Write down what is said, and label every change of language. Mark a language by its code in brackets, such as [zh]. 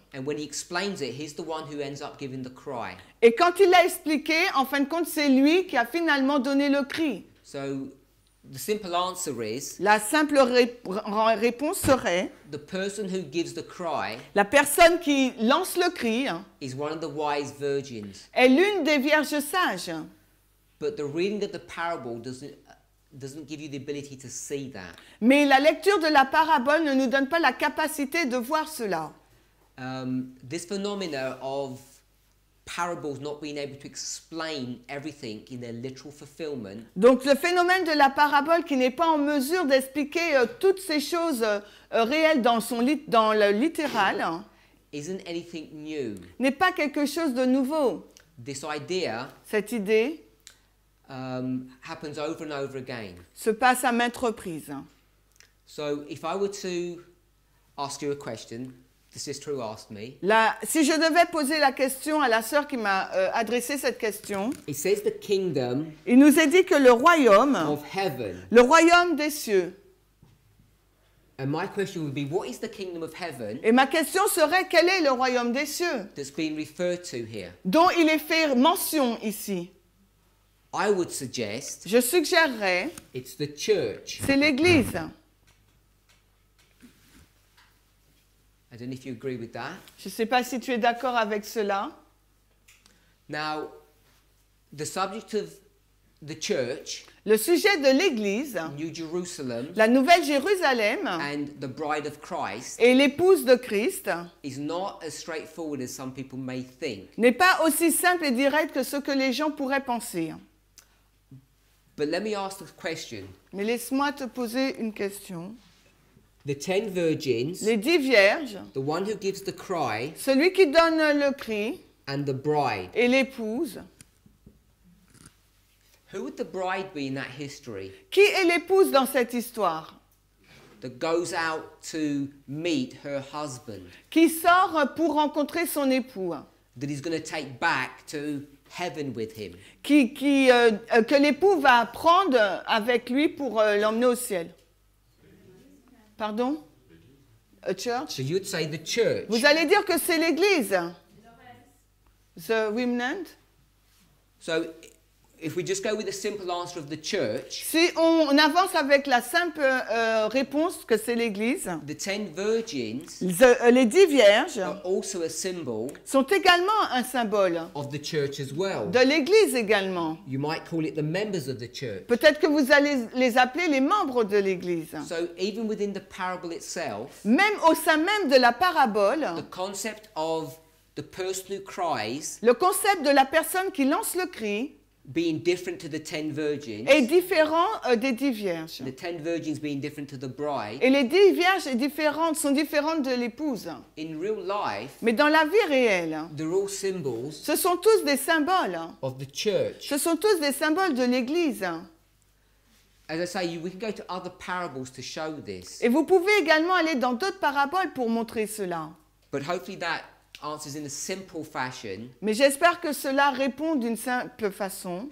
[en] And when he explains it, he's the one who ends up giving the cry. [fr] Et quand il l'a expliqué, en fin de compte, c'est lui qui a finalement donné le cri. [en] So, the simple answer is, [fr] la simple réponse serait, [en] the person who gives the cry, [fr] la personne qui lance le cri, [en] is one of the wise virgins, [fr] est l'une des vierges sages. [en] But the reading of the parable doesn't give you the ability to see that. [fr] Mais la lecture de la parabole ne nous donne pas la capacité de voir cela. [en] This phenomena of parables not being able to explain everything in their literal fulfillment. [fr] Donc le phénomène de la parabole qui n'est pas en mesure d'expliquer toutes ces choses réelles dans le littéral. [en] Isn't anything new. [fr] N'est pas quelque chose de nouveau. [en] This idea. [fr] Cette idée. [en] Happens over and over again. [fr] Se passe à maintes reprises. [en] So if I were to ask you a question. The sister who asked me. [fr] Là, si je devais poser la question à la sœur qui m'a adressé cette question. [en] It says the kingdom. [fr] Il nous est dit que le royaume. [en] Of heaven. [fr] Le royaume des cieux. [en] And my question would be, what is the kingdom of heaven? [fr] Et ma question serait, quel est le royaume des cieux? [en] That's being referred to here. [fr] Dont il est fait mention ici. [en] I would suggest. [fr] Je suggérerais. [en] It's the church. [fr] C'est l'église. [en] I don't know if you agree with that. [fr] Je ne sais pas si tu es d'accord avec cela. [en] Now, The subject of the church, [fr] le sujet de l'Église, [en] New Jerusalem, [fr] la Nouvelle Jérusalem, [en] and the bride of Christ, [fr] et l'épouse de Christ, [en] is not as straightforward as some people may think. [fr] N'est pas aussi simple et direct que ce que les gens pourraient penser. [en] But let me ask a question. [fr] Mais laisse-moi te poser une question. [en] The ten virgins, [fr] les 10 vierges, [en] the one who gives the cry, [fr] celui qui donne le cri, [en] and the bride, [fr] et l'épouse. [en] Who would the bride be in that history? [fr] Qui est l'épouse dans cette histoire? [en] That goes out to meet her husband. [fr] Qui sort pour rencontrer son époux. [en] That he's going to take back to heaven with him. [fr] Que l'époux va prendre avec lui pour l'emmener au ciel. [en] Pardon? A church? So you'd say the church. [fr] Vous allez dire que c'est l'église. [en] The remnant? So if we just go with the simple answer of the church, [fr] si on avance avec la simple réponse que c'est l'Église, [en] the ten virgins, [fr] les 10 vierges, [en] are also a symbol, [fr] sont également un symbole, [en] of the church as well, [fr] de l'Église également. [en] You might call it the members of the church. [fr] Peut-être que vous allez les appeler les membres de l'Église. [en] So even within the parable itself, [fr] même au sein même de la parabole, [en] the concept of the person who cries, [fr] le concept de la personne qui lance le cri, [en] being different to the ten virgins, [fr] est différent des 10 vierges. [en] The ten virgins being different to the bride, [fr] et les 10 vierges sont différentes de l'épouse. [en] In real life, [fr] mais dans la vie réelle, [en] they're all symbols, [fr] ce sont tous des symboles, [en] of the church, [fr] ce sont tous des symboles de l'église. [en] As I say, we can go to other parables to show this, [fr] et vous pouvez également aller dans d'autres paraboles pour montrer cela. [en] But hopefully that answers in a simple fashion, [fr] mais j'espère que cela répond d'une simple façon.